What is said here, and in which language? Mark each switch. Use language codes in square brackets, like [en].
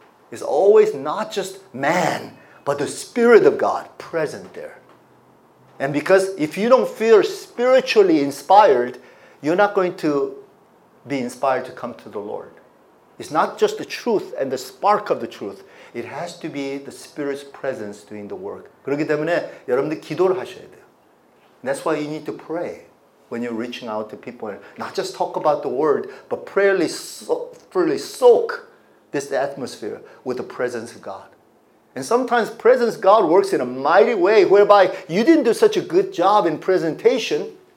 [en] It's always not just man, but the Spirit of God present there. And because if you don't feel spiritually inspired, you're not going to be inspired to come to the Lord. It's not just the truth and the spark of the truth. It has to be the Spirit's presence doing the work. [ko] 그렇기 때문에 여러분들 기도를 하셔야 돼요. [en] And that's why you need to pray when you're reaching out to people. Not just talk about the word, but prayerly fully soak this atmosphere with the presence of God. And sometimes presence of God works in a mighty way whereby you didn't do such a good job in presentation.